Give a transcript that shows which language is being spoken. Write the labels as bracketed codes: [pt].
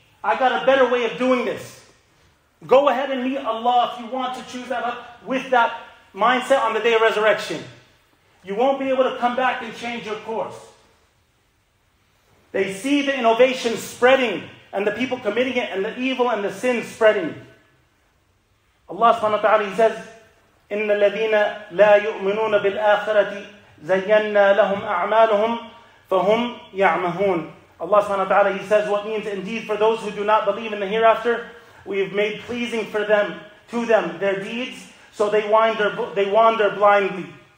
[en] I got a better way of doing this. Go ahead and meet Allah if you want to choose that up with that mindset on the day of resurrection. You won't be able to come back and change your course. They see the innovation spreading and the people committing it and the evil and the sin spreading. Allah subhanahu wa ta'ala says, [ar] إِنَّ الَّذِينَ لَا يُؤْمِنُونَ بِالْآخِرَةِ زَيَّنَّا لَهُمْ أَعْمَالُهُمْ فَهُمْ يَعْمَهُونَ. [en] Allah subhanahu wa ta'ala, He says, what means indeed for those who do not believe in the hereafter, we have made pleasing for them, to them, their deeds, so they wander blindly.